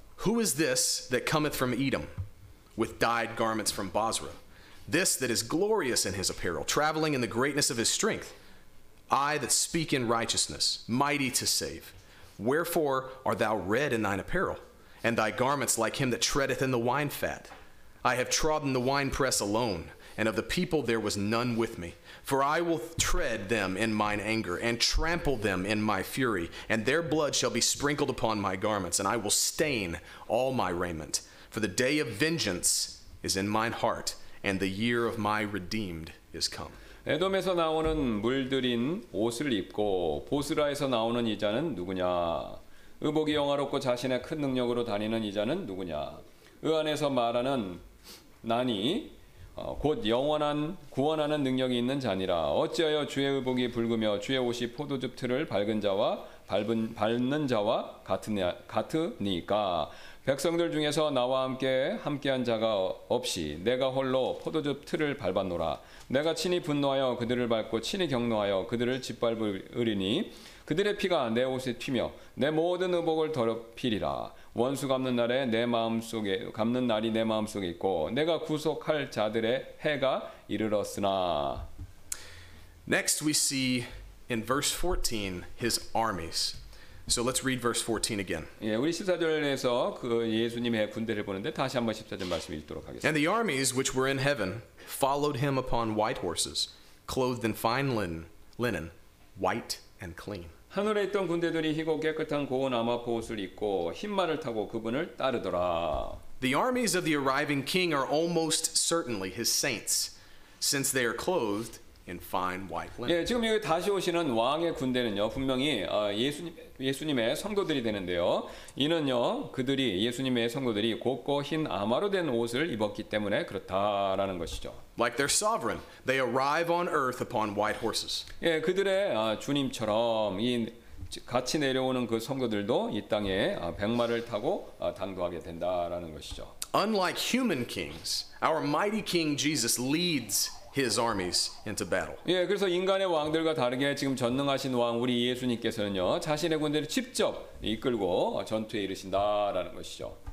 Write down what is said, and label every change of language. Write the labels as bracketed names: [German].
[English] Who is this that cometh from Edom with dyed garments from Bozrah? This that is glorious in his apparel, traveling in the greatness of his strength. I that speak in righteousness, mighty to save. Wherefore art thou red in thine apparel, and thy garments like him that treadeth in the wine fat? I have trodden the winepress alone, and of the people there was none with me. For I will tread them in mine anger, and trample them in my fury, and their blood shall be sprinkled upon my garments, and I will stain all my raiment. For the day of vengeance is in mine heart, and the year of my redeemed is come. [Korean] 에돔에서 나오는 물들인 옷을 입고 보스라에서 나오는 이자는 누구냐? 의복이 영화롭고 자신의 큰 능력으로 다니는 이자는 누구냐? 의 안에서 말하는 나니 곧 영원한 구원하는 능력이 있는 자니라. 어찌하여 주의 의복이 붉으며 주의 옷이 포도즙 틀을 밝은 자와 밟는 자와 같으니까 백성들 중에서 나와 함께한 자가 없이 내가 홀로 포도즙 틀을 밟았노라. 내가 친히 분노하여 그들을 밟고 친히 격노하여 그들을 짓밟으리니 그들의 피가 내 옷에 튀며 내 모든 의복을 더럽히리라. 원수 갚는 날에 내 마음 속에 갚는 날이 내 마음 속에 있고 내가 구속할 자들의 해가 이르렀으나. [English] Next we see in verse 14 his armies. So let's read verse 14 again. [Korean] 예, 우리 14절에서 그 예수님의 군대를 보는데 다시 한번 14절 말씀 읽도록 하겠습니다. [English] And the armies which were in heaven followed him upon white horses, clothed in fine linen, white and clean. [Korean] 하늘에 있던 군대들이 희고 깨끗한 고운 아마포 옷을 입고 흰 말을 타고 그분을 따르더라. [English] The armies of the arriving king are almost certainly his saints, since they are clothed in fine white linen. [Korean] 예, 지금 여기 다시 오시는 왕의 군대는요 분명히 예수님의 성도들이 되는데요. 이는요 그들이 예수님의 성도들이 곱고 흰 아마로 된 옷을 입었기 때문에 그렇다라는 것이죠. [English] Like their sovereign, they arrive on earth upon white horses. [Korean] 예, 그들의 주님처럼 이 같이 내려오는 그 성도들도 이 땅에 백마를 타고 당도하게 된다라는 것이죠. [English] Unlike human kings, our mighty King Jesus leads His armies into battle. [Korean] 예, 그래서 인간의 왕들과 다르게 지금 전능하신 왕 우리 예수님께서는요 자신의 군대를 직접 이끌고 전투에 이르신다라는 것이죠.